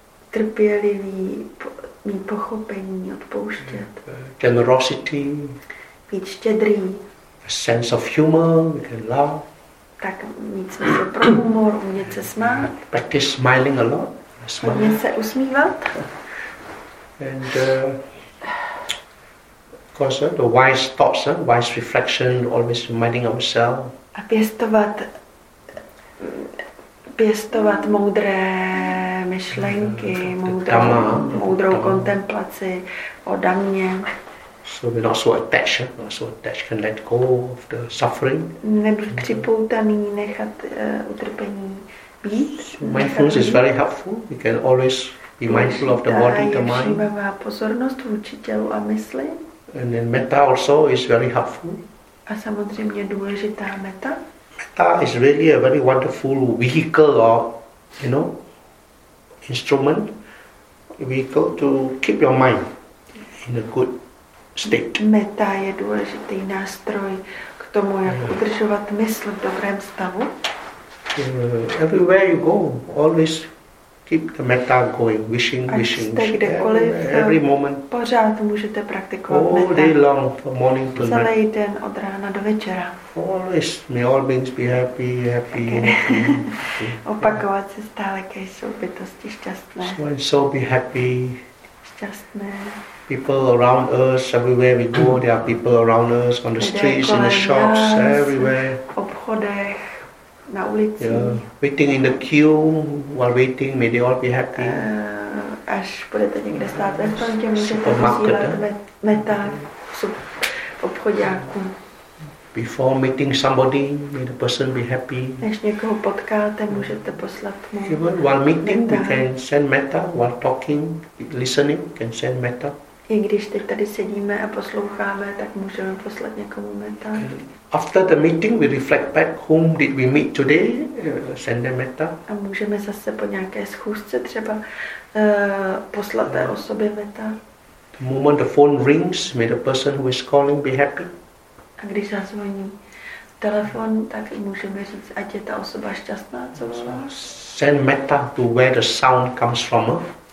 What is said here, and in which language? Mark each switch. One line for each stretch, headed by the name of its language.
Czech: Trpělivý, mít pochopení, odpouštět.
English: Generosity.
Czech: Být štědrý.
English: A sense of humor, we can laugh.
Czech: Tak mít smysl pro humor, umět se smát.
English: Practice smiling a lot.
Czech: Umět se usmívat.
English: And of course, the wise thoughts, wise reflection, always reminding ourselves.
Czech: A pěstovat moudré myšlenky, moudrou kontemplaci o dhamme.
English: So we're not so attached, not so attached, can let go of the suffering.
Czech: Nebýt připoutaný, nechat utrpení být.
English: Mindfulness is very helpful. We can always be mindful of the body, the mind.
Czech: Všímavá pozornost vůči tělu a mysli.
English: And then metta also is very helpful.
Czech: A samozřejmě důležitá metta.
English: Metta is really a very wonderful vehicle or, you know, instrument, vehicle to keep your mind in a good state.
Czech: Metta je důležitý nástroj k tomu, jak udržovat mysl v dobrém stavu.
English: Everywhere you go, always keep the metta going, wishing, wishing.
Czech: Ať jste kdekoliv,
English: every moment,
Czech: pořád můžete praktikovat metta.
English: All day long, from morning to night.
Czech: Celý den od rána do večera.
English: Always, may all beings be happy, happy.
Czech: Opakovat se stále, kež jsou bytosti šťastné.
English: So be happy.
Czech: Šťastné.
English: People around us, everywhere we go, there are people around us, on the streets, in the shops, everywhere.
Czech: V obchodech. Na ulici. Yeah.
English: Waiting in the queue while waiting, may they all be happy.
Czech: Až budete někde stát ve frontě, můžete posílat metta v obchodňáku.
English: Before meeting somebody, may the person be happy.
Czech: Než někoho potkáte, můžete poslat mu
English: metta. Even while meeting, you can send metta, while talking, listening, can send metta.
Czech: I když teď tady sedíme a posloucháme, tak můžeme poslat někomu metta.
English: After the meeting, we reflect back, whom did we meet today, send them metta.
Czech: A můžeme zase po nějaké schůzce třeba poslat té osobě metta.
English: The moment the phone rings, may the person who is calling be happy.
Czech: A když zazvoní telefon, tak můžeme říct, ať je ta osoba šťastná, co volá. So
English: send metta to where the sound comes from.